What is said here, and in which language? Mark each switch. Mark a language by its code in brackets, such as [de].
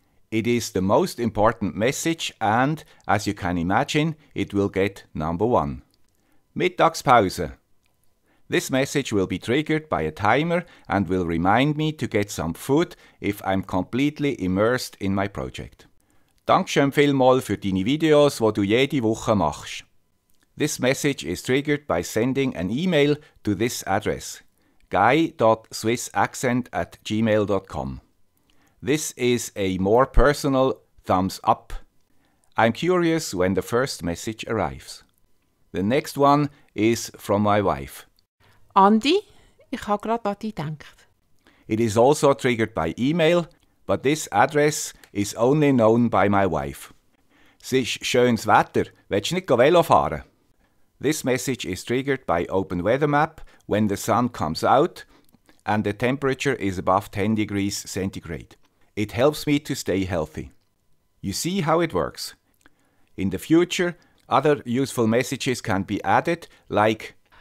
[en] It is the most important message and, as you can imagine, it will get number 1. Mittagspause. This message will be triggered by a timer and will remind me to get some food if I'm completely immersed in my project. [de] Dankeschön vielmal für deine Videos, wo du jede Woche machst. [en] This message is triggered by sending an email to this address, guy.swissaccent@gmail.com. This is a more personal thumbs up. I'm curious when the first message arrives. The next one is from my wife. [de] Andi, ich habe gerade an dich gedacht. [en] It is also triggered by email, but this address is only known by my wife. [de] Es ist schönes Wetter, willst du nicht go Velo fahren? [en] This message is triggered by Open Weather Map when the sun comes out and the temperature is above 10 degrees centigrade. It helps me to stay healthy. You see how it works. In the future, other useful messages can be added, like